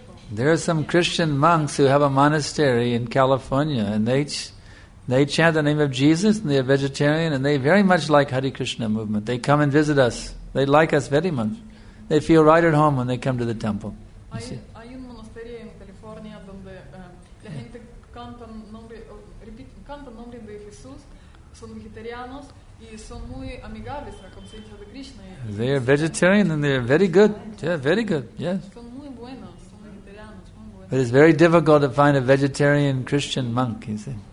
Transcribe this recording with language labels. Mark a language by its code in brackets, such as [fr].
[en] There are some Christian monks who have a monastery in California, and they chant the name of Jesus, and they are vegetarian, and they very much like Hare Krishna movement. They come and visit us. They like us very much. They feel right at home when they come to the temple. [es] Hay un monasterio en California donde la gente canta nombre de Jesús, son vegetarianos y son muy amigables a conciencia de Krishna. [en] They are vegetarian and they are very good. Yeah, very good. Yes. But it's very difficult to find a vegetarian Christian monk, you see.